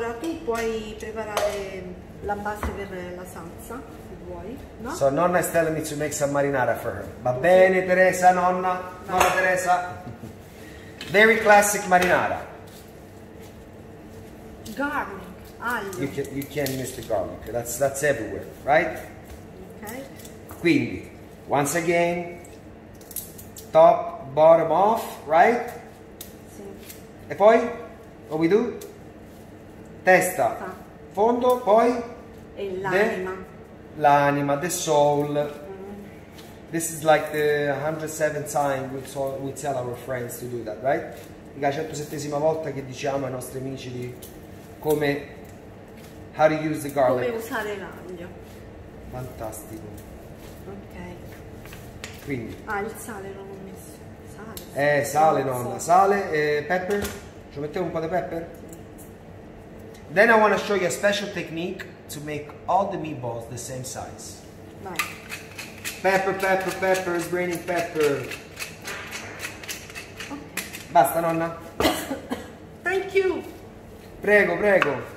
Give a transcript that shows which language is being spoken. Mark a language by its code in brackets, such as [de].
[it] Ora tu puoi preparare la base per la salsa, se vuoi, no? [en] So nonna is telling me to make some marinara for her. [it] Va bene Teresa, nonna, [en] bye. Nonna Teresa. Very classic marinara. Garlic. You can't miss the garlic. That's everywhere, right? Okay. [it] Quindi, [en] once again, top, bottom off, right? [it] Sì. E poi, [en] what we do? [it] Testa, sì. Fondo, poi? E l'anima. L'anima, [en] the soul. This is like the 107th time we tell our friends to do that, right? [it] La 107ª volta che diciamo ai nostri amici di come... [en] How to use the garlic. [it] Come usare l'aglio. Fantastico. Ok. Quindi. Ah, il sale l'ho messo. Sale, nonna, sale, [en] pepper. [it] Ci mettiamo un po' di [en] pepper? [it] Sì. [en] Then I want to show you a special technique to make all the meatballs the same size. [it] Vai. [en] Pepper, pepper, pepper, is raining pepper. Okay. [it] Basta, nonna. [en] Thank you. [it] Prego, prego.